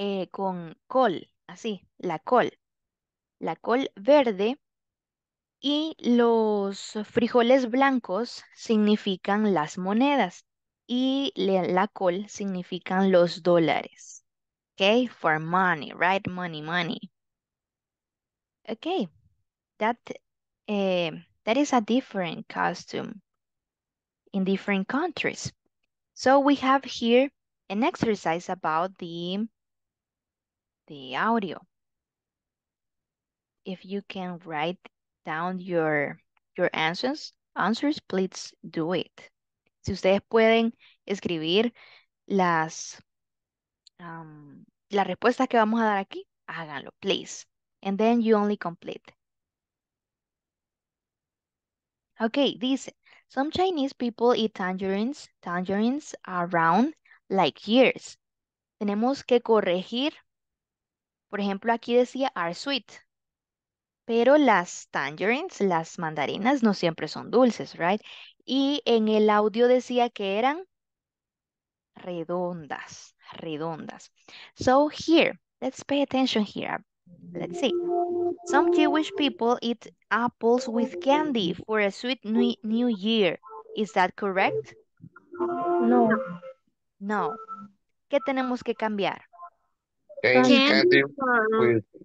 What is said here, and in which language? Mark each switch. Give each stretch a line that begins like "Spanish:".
Spanish: Con col, así, la col. La col verde y los frijoles blancos significan las monedas y la col significan los dólares.
English: Okay, for money, right? Money, money. Okay, that is a different costume in different countries. So we have here an exercise about the audio. If you can write down your answers, please do it.
Spanish: Si ustedes pueden escribir las la respuesta que vamos a dar aquí, háganlo, please.
English: And then you only complete. Okay, dice, some Chinese people eat tangerines around like years.
Spanish: Tenemos que corregir. Por ejemplo, aquí decía
English: are sweet.
Spanish: Pero las tangerines, las mandarinas, no siempre son dulces, right? Y en el audio decía que eran redondas, redondas.
English: So here, let's pay attention here. Let's see. Some Jewish people eat apples with candy for a sweet new year. Is that correct? No.
Spanish: No. ¿Qué tenemos que cambiar?
English: Candy with